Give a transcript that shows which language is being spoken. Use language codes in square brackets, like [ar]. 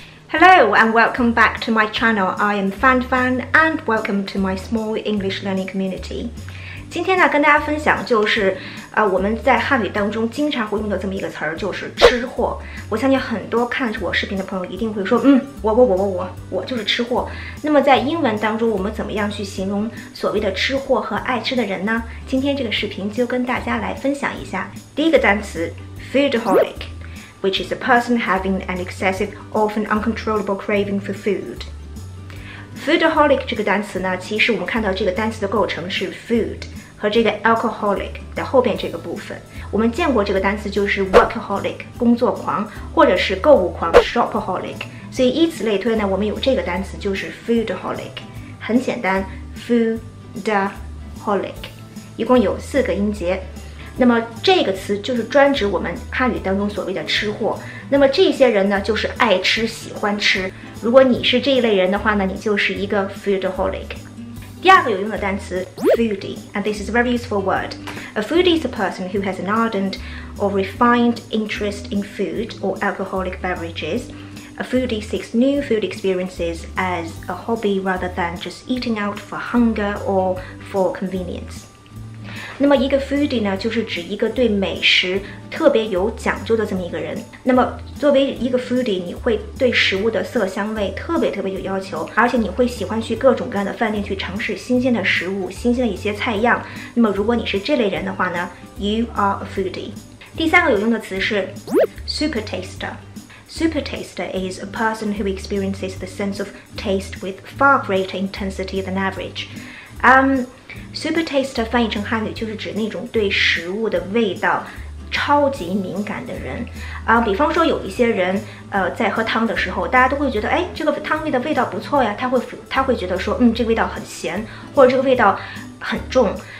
[en] Hello and welcome back to my channel. I am Fan Fan and welcome to my small English learning community. [zh] 今天呢，跟大家分享就是，我们在汉语当中经常会用的这么一个词儿，就是吃货。我相信很多看着我视频的朋友一定会说，我就是吃货。那么在英文当中，我们怎么样去形容所谓的吃货和爱吃的人呢？今天这个视频就跟大家来分享一下。第一个单词 ，foodaholic。 [en] Which is a person having an excessive, often uncontrollable craving for food. [zh] Foodaholic 这个单词呢，其实我们看到这个单词的构成是 food 和这个 alcoholic 的后边这个部分。我们见过这个单词就是 workaholic 工作狂，或者是购物狂 shopaholic。所以以此类推呢，我们有这个单词就是 foodaholic。很简单 ，foodaholic， 一共有四个音节。那么这个词就是专指我们汉语当中所谓的吃货。那么这些人呢，就是爱吃、喜欢吃。如果你是这一类人的话呢，你就是一个 foodaholic。第二个有用的单词 foodie， [en] and this is a very useful word. A foodie is a person who has an ardent or refined interest in food or alcoholic beverages. A foodie seeks new food experiences as a hobby rather than just eating out for hunger or for convenience. [zh] 那么一个 foodie 呢，就是指一个对美食特别有讲究的这么一个人。那么作为一个 foodie， 你会对食物的色香味特别特别有要求，而且你会喜欢去各种各样的饭店去尝试新鲜的食物、新鲜的一些菜样。那么如果你是这类人的话呢， [en] you are a foodie。 [zh] 第三个有用的词是 super taster。 [en] Super taster is a person who experiences the sense of taste with far greater intensity than average. [zh] Super taster 翻译成汉语就是指那种对食物的味道超级敏感的人啊。比方说有一些人在喝汤的时候，大家都会觉得哎，这个汤味的味道不错呀，他会觉得说这个味道很咸，或者这个味道很重。